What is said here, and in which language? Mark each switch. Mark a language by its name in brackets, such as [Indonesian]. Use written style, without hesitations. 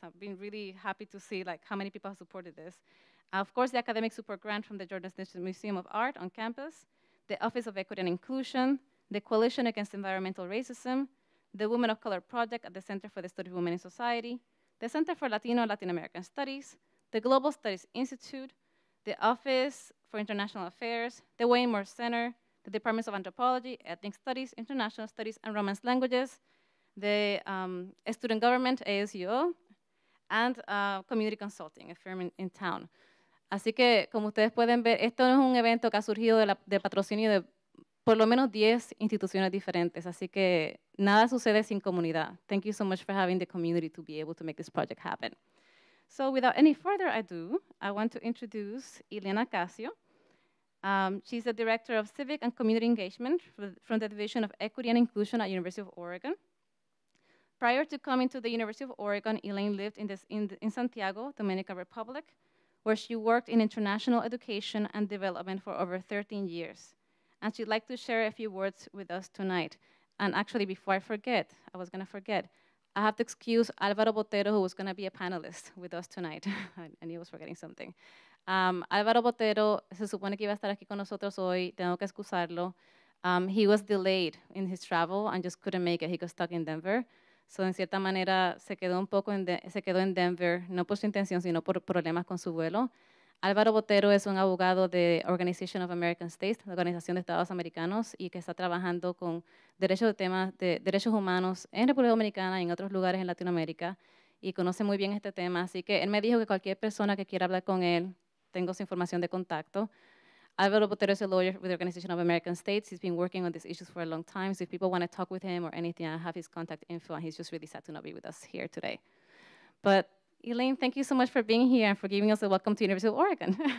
[English] I've been really happy to see like how many people have supported this. Of course, the Academic Support Grant from the Jordan Schnitzer Museum of Art on campus, the Office of Equity and Inclusion, the Coalition Against Environmental Racism, the Women of Color Project at the Center for the Study of Women in Society, the Center for Latino and Latin American Studies, the Global Studies Institute, the Office for International Affairs, the Wayne Moore Center, the Departments of Anthropology, Ethnic Studies, International Studies, and Romance Languages, the Student Government, ASUO, and Community Consulting, a firm in town. [Spanish] Así que, como ustedes pueden ver, esto no es un evento que ha surgido de patrocinio de por lo menos 10 instituciones diferentes. Así que nada sucede sin comunidad. [English] Thank you so much for having the community to be able to make this project happen. So without any further ado, I want to introduce Elena Casio. She's the Director of Civic and Community Engagement from the Division of Equity and Inclusion at University of Oregon. Prior to coming to the University of Oregon, Elaine lived in Santiago, Dominican Republic, where she worked in international education and development for over 13 years. And she'd like to share a few words with us tonight. And actually, before I forget, I have to excuse Alvaro Botero, who was going to be a panelist with us tonight. And he was forgetting something. [Spanish] Alvaro Botero, se supone que iba a estar aquí con nosotros hoy, tengo que excusarlo. [English] He was delayed in his travel and just couldn't make it. He got stuck in Denver. [Spanish] So, en cierta manera, se quedó en Denver, no por su intención, sino por problemas con su vuelo. Alvaro Botero es un abogado de Organization of American States, la Organización de Estados Americanos, y que está trabajando con derechos humanos en República Dominicana y en otros lugares en Latinoamérica, y conoce muy bien este tema. Así que él me dijo que cualquier persona que quiera hablar con él, tengo su información de contacto. [English] Alvaro Botero is a lawyer with the Organization of American States. He's been working on these issues for a long time. So if people want to talk with him or anything, I have his contact info, and he's just really sad to not be with us here today. But Elaine, thank you so much for being here and for giving us a welcome to University of Oregon.